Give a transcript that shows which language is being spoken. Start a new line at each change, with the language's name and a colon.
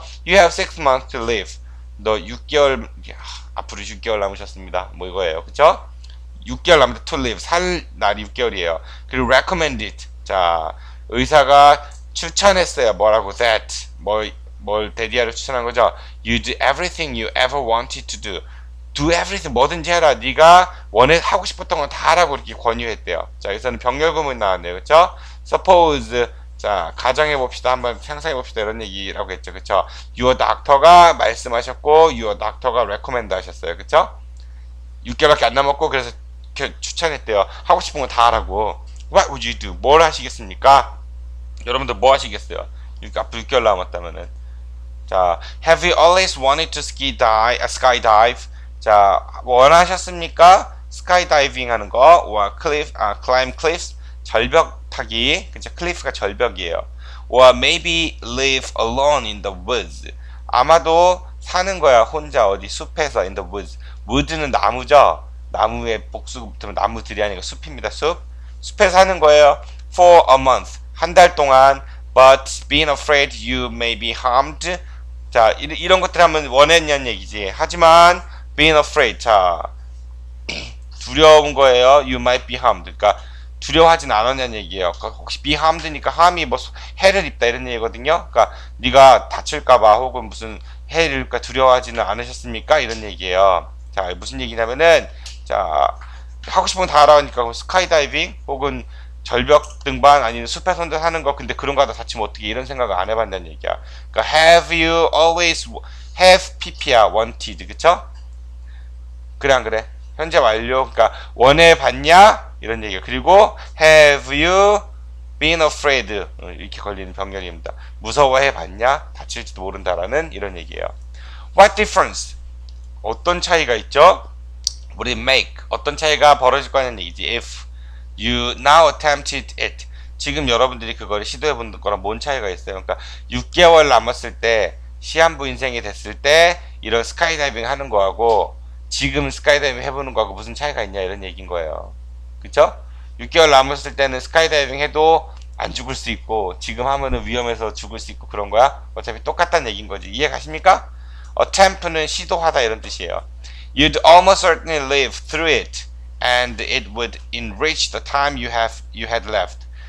English: You have 6 months to live.
Korean: 너 6개월, 야, 앞으로 6개월 남으셨습니다. 뭐 이거예요. 그쵸? 6개월 남았다.
English: To live.
Korean: 살 날이 6개월이에요. 그리고 recommended. 자, 의사가 추천했어요. 뭐라고? That. 뭘 데디아를 추천한 거죠?
English: You do everything you ever wanted to do. Do everything.
Korean: 뭐든지 해라. 네가 원해, 하고 싶었던 건다 하라고 이렇게 권유했대요. 자, 여기서는 병렬구문이 나왔네요. 그쵸? Suppose. 자, 가정해봅시다. 한번 상상해봅시다. 이런 얘기라고 했죠. 그쵸?
English: Your doctor
Korean: 가 말씀하셨고, Your doctor가 recommend 하셨어요. 그쵸? 6개월밖에 안 남았고, 그래서 추천했대요. 하고 싶은 건다 하라고.
English: What would you do?
Korean: 뭘 하시겠습니까? 여러분들 뭐 하시겠어요? 앞으로 6개월 남았다면은.
English: 자, Have you always wanted to skydive?
Korean: 자, 원하셨습니까? Skydiving 하는 거.
English: Or climb cliffs?
Korean: 절벽. 타기, 그쵸? 클리프가 절벽이에요.
English: Or maybe live alone in the woods.
Korean: 아마도 사는 거야, 혼자 어디 숲에서
English: in the woods.
Korean: Wood는 나무죠. 나무의 복수부터는 나무들이 아니고 숲입니다. 숲. 숲에 사는 거예요.
English: For a month,
Korean: 한달 동안.
English: But being afraid you may be harmed.
Korean: 자, 이런 것들 하면 원했냐는 얘기지. 하지만
English: being afraid,
Korean: 자, 두려운 거예요.
English: You might be harmed.
Korean: 그러니까 두려워하진 않았냐는 얘기예요. 혹시
English: be harmed
Korean: 니까 harm이 뭐 해를 입다 이런 얘기거든요. 그러니까 네가 다칠까봐 혹은 무슨 해를 입을까 두려워하지는 않으셨습니까? 이런 얘기예요. 자, 무슨 얘기냐면은, 자, 하고 싶은 건다 하라니까 스카이다이빙 혹은 절벽 등반 아니면 숲에 혼자 사는 거, 근데 그런 거 하다 다치면 어떻게, 이런 생각을 안 해봤냐는 얘기야.
English: 그러니까 have you always have PP야, wanted, 그쵸?
Korean: 그래 안 그래? 현재 완료. 그러니까 원해 봤냐? 이런 얘기예요.
English: 그리고 Have you been afraid?
Korean: 이렇게 걸리는 병렬입니다. 무서워해 봤냐? 다칠지도 모른다라는 이런 얘기예요.
English: What difference?
Korean: 어떤 차이가 있죠? 우리 make 어떤 차이가 벌어질 거냐는 얘기지.
English: If you now attempted it,
Korean: 지금 여러분들이 그걸 시도해 본 거랑 뭔 차이가 있어요? 그러니까 6개월 남았을 때, 시한부 인생이 됐을 때 이런 스카이다이빙 하는 거하고 지금 스카이다이빙 해보는 거하고 무슨 차이가 있냐 이런 얘기인 거예요. 그쵸? 6개월 남았을 때는 스카이다이빙 해도 안 죽을 수 있고, 지금 하면은 위험해서 죽을 수 있고 그런 거야? 어차피 똑같다는 얘기인 거지. 이해 가십니까? Attempt는 시도하다 이런 뜻이에요.
English: You'd almost certainly live through it, and it would enrich the time you had left.